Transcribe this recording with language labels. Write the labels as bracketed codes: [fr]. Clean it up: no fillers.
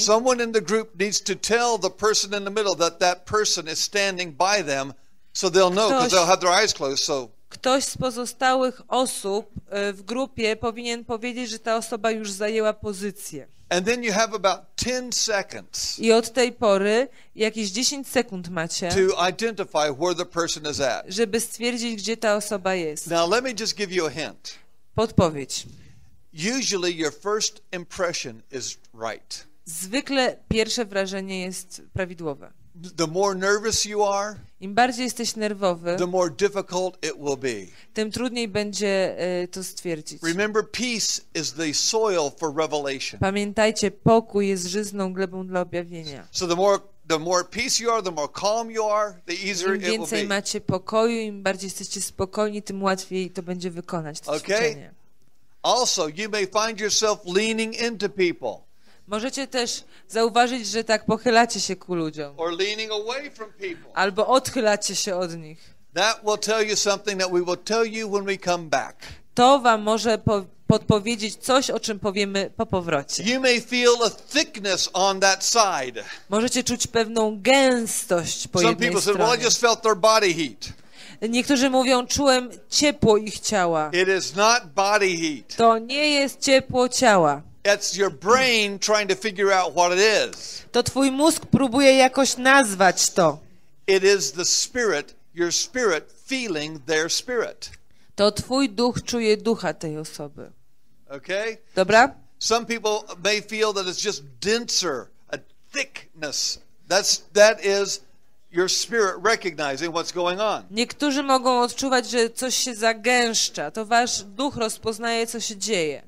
[en] Someone in the group needs to tell the person in the middle that that person is standing by them, so they'll know because they'll have their eyes closed. So. [pl] Ktoś z pozostałych osób w grupie powinien powiedzieć, że ta osoba już zajęła pozycję. [en] And then you have about 10 seconds. [pl] I od tej pory jakieś 10 sekund macie. [en] To identify where the person is at. [pl] Żeby stwierdzić, gdzie ta osoba jest. [en] Now let me just give you a hint. [pl] Podpowiedź. [en] Usually your first impression is right. [pl] Zwykle pierwsze wrażenie jest prawidłowe. [en] The more nervous you are, [pl] im bardziej jesteś nerwowy, [en] the more difficult it will be. [pl] Tym trudniej będzie to stwierdzić. [en] Remember, peace is the soil for revelation. [pl] Pamiętajcie, pokój jest żyzną glebą dla objawienia. [en] So the more the more at peace you are, the more calm you are, the easier it will be. [pl] Im więcej macie pokoju, im bardziej jesteście spokojni, tym łatwiej to będzie wykonać to ćwiczenie. [en] Also, you may find yourself leaning into people. [pl] Możecie też zauważyć, że tak pochylacie się ku ludziom. [en] Or leaning away from people. [pl] Albo odchylacie się od nich. [en] That will tell you something that we will tell you when we come back. [pl] To wam może podpowiedzieć coś, o czym powiemy po powrocie. [en] You may feel a thickness on that side. [pl] Możecie czuć pewną gęstość po [en] Some [pl] jednej [en] people [pl] stronie. [en] Said, well, I just felt their body heat. [pl] Niektórzy mówią, czułem ciepło ich ciała. [en] It is not body heat. [pl] To nie jest ciepło ciała. [en] It's your brain trying to figure out what it is. [pl] To twój mózg próbuje jakoś nazwać to. [en] It is the spirit, your spirit feeling their spirit. [pl] To twój duch czuje ducha tej osoby. [en] Okay? [pl] Dobra? [en] Some people may feel that it's just denser, a thickness. That is your spirit recognizing what's going on. [pl] Niektórzy mogą odczuwać, że coś się zagęszcza. To wasz duch rozpoznaje, co się dzieje.